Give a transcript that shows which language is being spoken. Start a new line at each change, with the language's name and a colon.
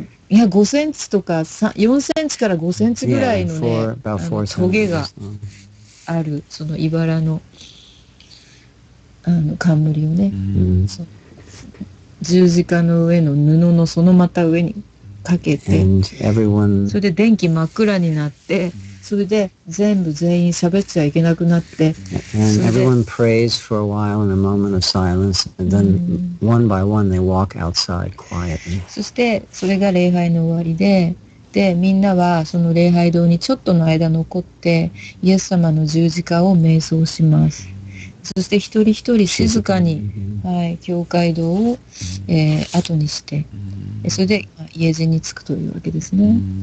Japanese: いや、5センチとか4センチから5センチぐらいのね、トゲがある、その茨の、冠をね、十字架の上の布のそのまた上にかけて、それで電気真っ暗になって、それで全部全員喋っちゃいけなくなって、
English: and everyone prays for a while in a moment of silence, and then one by one they walk outside quietly.
Japanese: そしてそれが礼拝の終わりで、でみんなはその礼拝堂にちょっとの間残ってイエス様の十字架を瞑想します。そして一人一人静かに、はい、教会堂を、後にして、それで家路に着くというわけですね。